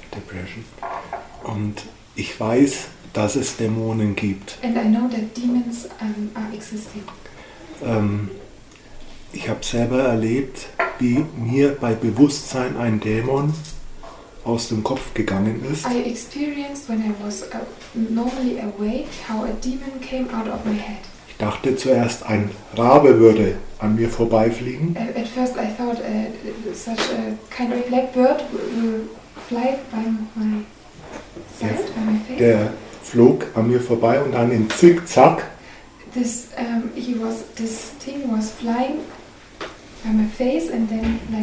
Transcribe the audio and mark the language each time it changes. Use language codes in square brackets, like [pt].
[de] Depression. Und ich weiß, dass es Dämonen gibt. [en] And I know that demons are existing. [de] Ich habe selber erlebt, wie mir bei Bewusstsein ein Dämon aus dem Kopf gegangen ist. [en] I experienced when I was normally awake how a demon came out of my head. [de] Ich dachte zuerst, ein Rabe würde an mir vorbeifliegen. [en] At first I thought such a kind of black bird would fly by my side, by my face. [de] Der flog an mir vorbei und dann in Zickzack. [en] This thing was flying by my face and then like